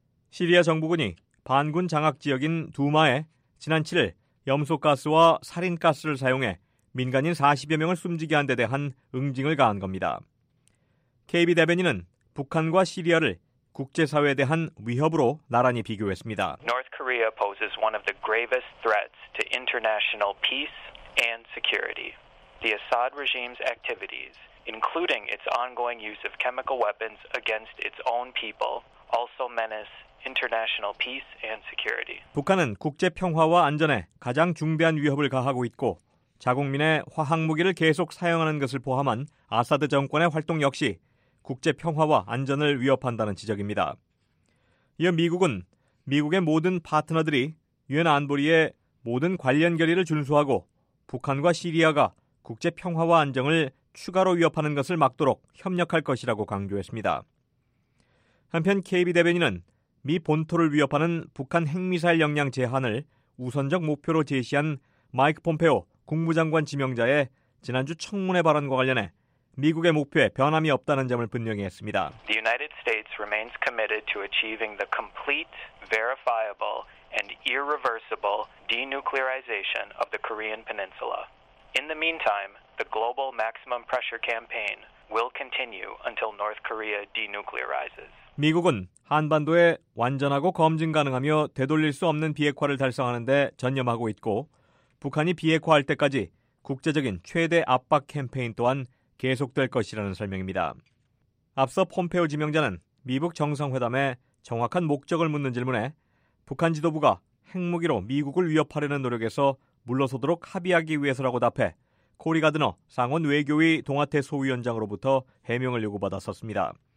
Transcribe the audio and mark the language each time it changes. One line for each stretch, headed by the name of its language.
Korean: 시리아 정부군이 반군 장악 지역인 두마에 지난 7일 염소가스와 살인가스를 사용해 민간인 40여 명을 숨지게 한 데 대한 응징을 가한 겁니다. KB 대변인은 북한과 시리아를 국제사회에 대한 위협으로 나란히 비교했습니다.
English: North Korea poses one of the gravest threats to international peace and security. The Assad regime's activities, including its ongoing use of chemical weapons against its own people, also menace international peace and security.
Korean: 북한은 국제 평화와 안전에 가장 중대한 위협을 가하고 있고 자국민의 화학무기를 계속 사용하는 것을 포함한 아사드 정권의 활동 역시 국제 평화와 안전을 위협한다는 지적입니다. 이어 미국은 미국의 모든 파트너들이 유엔 안보리의 모든 관련 결의를 준수하고 북한과 시리아가 국제 평화와 안정을 추가로 위협하는 것을 막도록 협력할 것이라고 강조했습니다. 한편 KB 대변인은 미 본토를 위협하는 북한 핵미사일 역량 제한을 우선적 목표로 제시한 마이크 폼페오 국무장관 지명자의 지난주 청문회 발언과 관련해 미국의 목표에 변함이 없다는 점을 분명히 했습니다.
English: The United States remains committed to achieving the complete, verifiable, and irreversible denuclearization of the Korean Peninsula. In the meantime, the global maximum pressure campaign will continue until North Korea denuclearizes.
Korean: 미국은 한반도에 완전하고 검증 가능하며 되돌릴 수 없는 비핵화를 달성하는 데 전념하고 있고 북한이 비핵화할 때까지 국제적인 최대 압박 캠페인 또한 계속될 것이라는 설명입니다. 앞서 폼페오 지명자는 미북 정상회담에 정확한 목적을 묻는 질문에 북한 지도부가 핵무기로 미국을 위협하려는 노력에서 물러서도록 합의하기 위해서라고 답해 코리 가드너 상원 외교위 동아태 소위원장으로부터 해명을 요구받았었습니다.